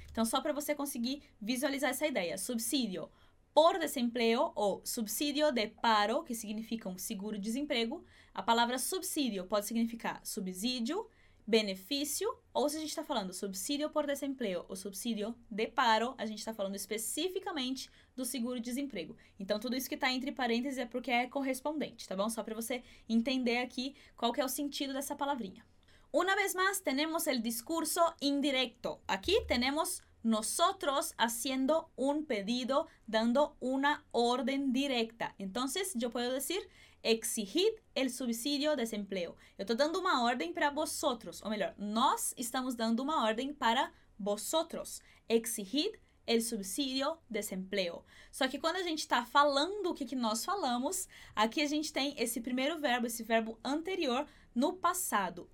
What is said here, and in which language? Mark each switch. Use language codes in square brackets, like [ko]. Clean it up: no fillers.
[pt] Então, só para você conseguir visualizar essa ideia, subsídio por desemprego ou subsídio de paro, que significa um seguro desemprego, a palavra subsídio pode significar subsídio, benefício, ou se a gente está falando subsídio por desemprego ou subsídio de paro, a gente está falando especificamente do seguro-desemprego. Então, tudo isso que está entre parênteses é porque é correspondente, tá bom? Só para você entender aqui qual que é o sentido dessa palavrinha. [es] Una vez más, tenemos el discurso indirecto. Aquí tenemos nosotros haciendo un pedido, dando una orden directa. Entonces, yo puedo decir exigir el subsidio de desempleo. [pt] Eu estou dando uma ordem para vosotros, ou melhor, nós estamos dando uma ordem para vosotros. [es] Exigir el subsidio de desempleo. [pt] Só que quando a gente está falando o que nós falamos, aqui a gente tem esse primeiro verbo, esse verbo anterior, no passado.